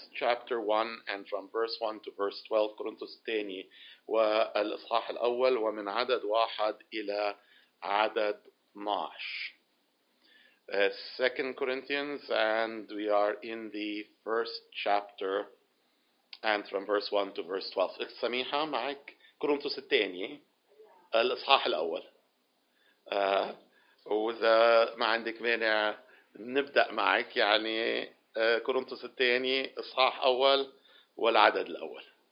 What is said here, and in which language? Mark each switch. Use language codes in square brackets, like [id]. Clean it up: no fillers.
[en] chapter 1 and from verse 1 to verse 12 [ar] كورنثوس الثاني والإصحاح الأول ومن عدد 1 إلى عدد 12. [en] Second Corinthians, and we are in the first chapter and from verse 1 to verse 12. [ar] السميحة معك كورنثوس الثاني الإصحاح الأول. وإذا ما عندك مانع نبدأ معك يعني كورنثوس الثاني إصحاح أول والعدد الأول.